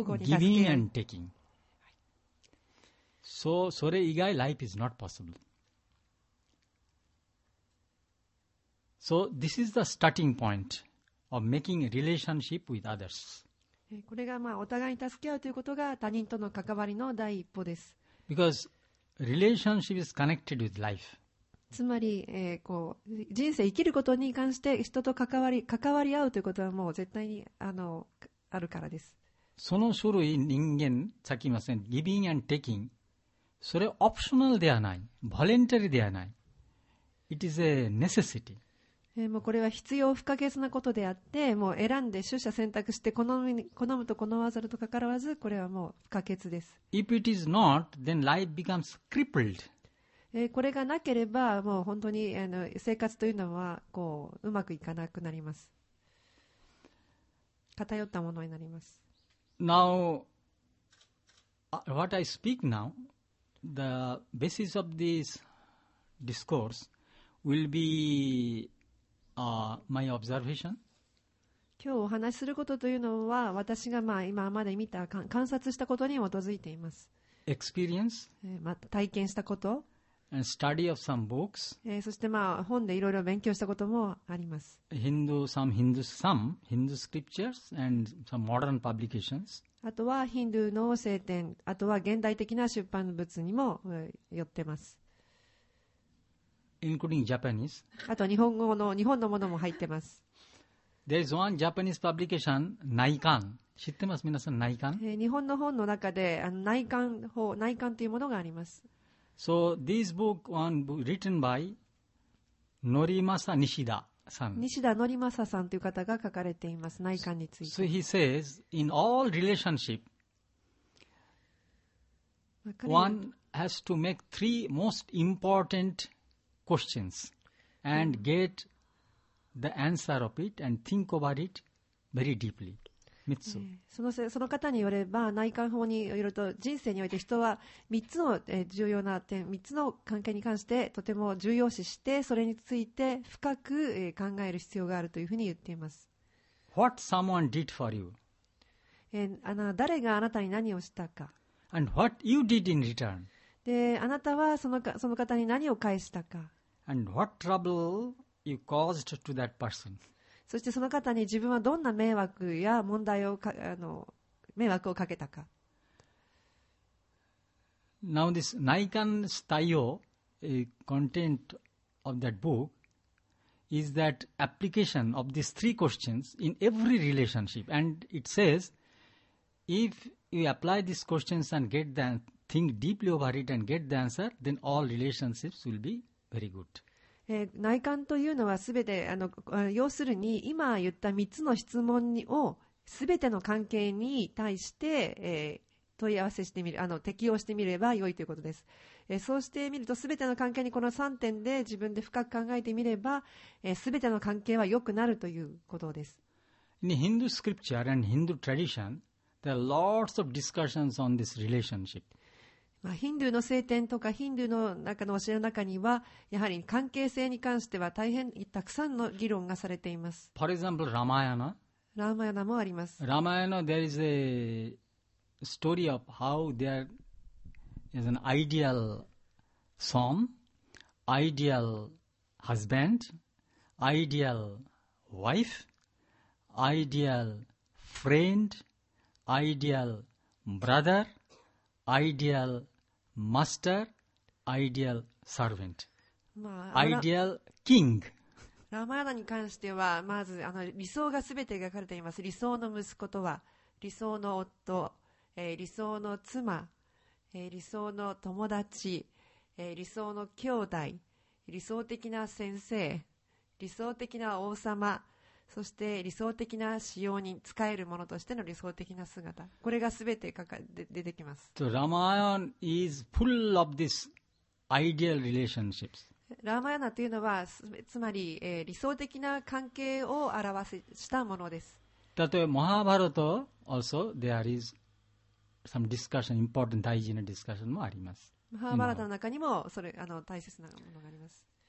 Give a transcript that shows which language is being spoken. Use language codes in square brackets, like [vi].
[en] giving and takingSo, [ja] それ以外 [en] life is not possible. So this is the starting point of making a relationship with others. [ja] これがまあお互いに助け合うということが他人との関わりの第一歩です。 [en] Because relationship is connected with life. [ja] つまり、こう人生生きることに関して人と関わり合うということはもう絶対にあるからです。その種類人間、さっき言いません、 [en] giving and taking。 [ja] それオプショナルではない、ボレンタリーではない、 [en] It is a necessity。 [ja] もうこれは必要不可欠なことであって、もう選んで取捨選択して好むと好まざるとかからわず、これはもう不可欠です。 [en] If it is not, then life becomes crippled. [ja] これがなければもう本当に生活というのはこう、 うまくいかなくなります。偏ったものになります。 [en] Now what I speak now, the basis of this discourse will beMy observation. [ja] 今日お話しすることというのは、私がまあ今まで見た観察したことに基づいています。 [en] Experience. [ja] まあ体験したこと。 [en] And study of some books. [ja] そしてまあ本でいろいろ勉強したこともあります。 [en] Hindu, some Hindu scriptures and some modern publications. [ja] あとはヒンドゥーの聖典、あとは現代的な出版物にも寄ってます。 [en] Including Japanese. [ja] あと日本のものも入ってます。 [en] There is one Japanese publication, Naikan. [ja] 知ってます皆さん、 [en] Naikan? [ja] 日本の本の中で Naikan というものがあります。 [en] So this book was written by Norimasa Nishida さん。 [ja] Nishida Norimasa さんという方が書かれています、Naikan について。 [en] So he says, in all relationship, one has to make three most importantQuestions and get the answer of it and think about it very deeply. [ja] Mitsu. その方によれば、内観法によると人生において人は3つの重要な点、3つの関係に関してとても重要視して、それについて深く考える必要があるというふうに言っています。 [en] What someone did for you. [ja] 誰があなたに何をしたか。 [en] And what you did in return. [ja] で、あなたはその方に何を返したか。 [en] And what trouble you caused to that person. [ja] そしてその方に自分はどんな迷惑や問題を迷惑をかけたか。 [en] Now this Naikan's Taiyo, a content of that book, is that application of these three questions in every relationship. And it says, if you apply these questions and get the think deeply over it and get the answer, then all relationships will be very good. [ja] 内観というのはすべて要するに今言った3つの質問をすべての関係に対して、問い合わせしてみる、適用してみれば良いということです。そうしてみるとすべての関係にこの3点で自分で深く考えてみればすべての関係は良くなるということです。 [en] In Hindu scripture and Hindu tradition, there are lots of discussions on this relationship. [ja] まあ、ヒンドゥーの聖典とかヒンドゥーの中の教えの中にはやはり関係性に関しては大変たくさんの議論がされています。 [en] For example, Ramayana. [ja] ラマヤナもあります。 [en] ラマヤナ there is a story of how there is an ideal son, ideal husband, ideal wife, ideal friend, ideal brotherideal master, ideal servant,、 [ja] まあ、 [en] ideal king. [ja] ラマヤナに関してはまず理想がすべて描かれています。理想の息子とは、理想の夫、理想の妻、理想の友達、理想の兄弟、理想的な先生、理想的な王様、そして理想的な使用に使えるものとしての理想的な姿、これがすべて出てきます。 [en] So, Ramayana is full of this ideal relationships. [ja] ラマヤナというのはつまり、理想的な関係を表したものです。例えばモハバラト [en] also there is some discussion, important [ja] 大事な [en] discussion [ja] もあります。モハバラトの中にもそれ大切なものがあります。